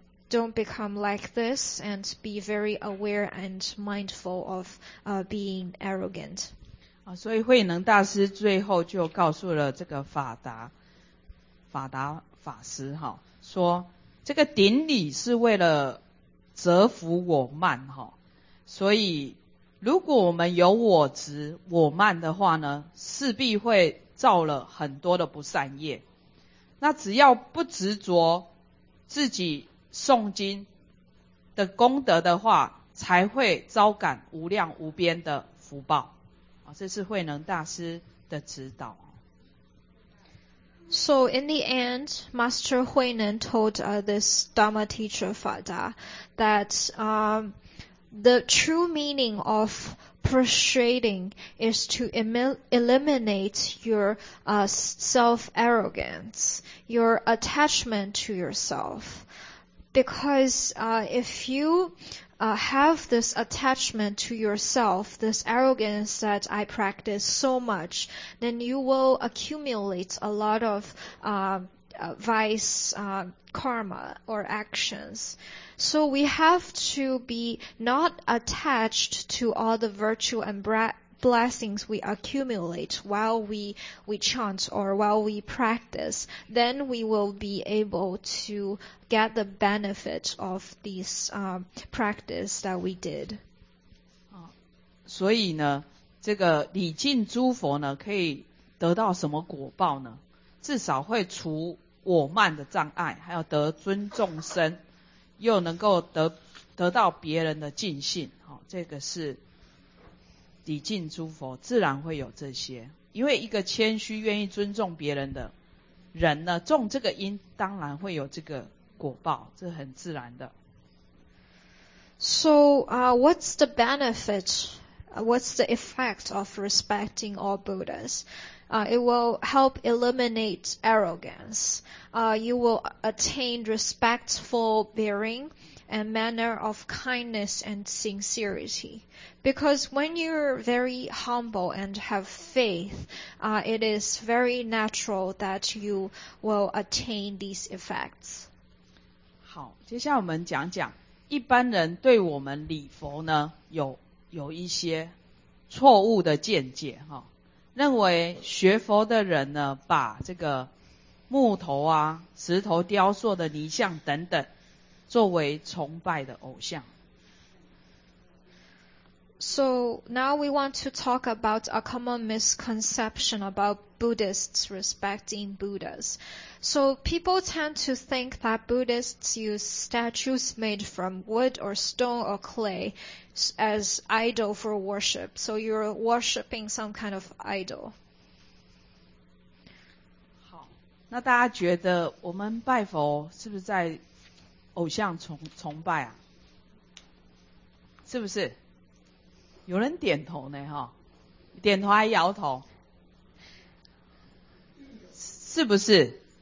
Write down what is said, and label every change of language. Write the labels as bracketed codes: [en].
[en] Don't become like this and be very aware and mindful of being arrogant. [zh] 所以慧能大师最后就告诉了这个法达法师哈，说这个顶礼是为了折服我慢哈，所以如果我们有我执我慢的话呢，势必会造了很多的不善业。那只要不执着自己诵经的功德的话，才会招感无量无边的福报。这是慧能大师的指导。 [en] So in the end, Master Huinen told this Dharma teacher Fada that the true meaning of prostrating is to eliminate your self-arrogance, your attachment to yourself. Because if you have this attachment to yourself, this arrogance that I practice so much, then you will accumulate a lot of vice karma or actions. So we have to be not attached to all the virtue and blessings we accumulate while we chant or while we practice. Then we will be able to get the benefit of these practice that we did. [zh] 所以呢，这个礼敬诸佛呢，可以得到什么果报呢？至少会除我慢的障碍，还有得尊众生，又能够得到别人的尽信，这个是礼敬诸佛，自然会有这些。因为一个谦虚愿意尊重别人的人呢，种这个因当然会有这个果报，这很自然的。 [en] So, what's the benefit? What's the effect of respecting all Buddhas? It will help eliminate arrogance. You will attain respectful bearing and manner of kindness and sincerity. Because when you're very humble and have faith, it is very natural that you will attain these effects. [zh] 好，接下来我们讲讲一般人对我们礼佛呢有一些错误的见解，认为学佛的人呢，把这个木头啊石头雕塑的泥像等等作为崇拜的偶像。 [en] So now we want to talk about a common misconception about Buddhists respecting Buddhas. So people tend to think that Buddhists use statues made from wood or stone or clay as idol for worship. So you're worshiping some kind of idol. [zh] 好，那大家觉得我们拜佛是不是在偶像崇拜啊？是不是？有人点头呢，哈，点头还摇头，是不是？